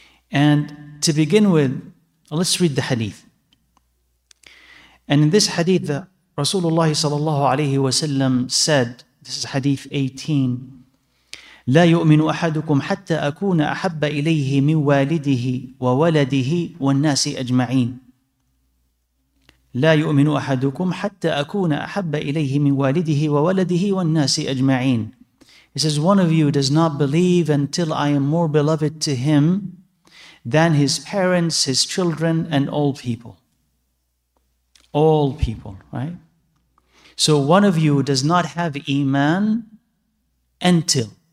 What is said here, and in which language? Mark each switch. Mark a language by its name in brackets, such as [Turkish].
[English] And to begin with, let's read the hadith. And in this hadith, Rasulullah sallallahu alayhi wa sallam said, this is hadith 18, [Arabic] لا يؤمن أحدكم حتى أكون أحب إليه من والده وولده والناس أجمعين. لا يؤمن أحدكم حتى أكون أحب إليه من والده وولده والناس أجمعين. [English] He says, one of you does not believe until I am more beloved to him than his parents, his children, and all people. All people, right? So one of you does not have iman until.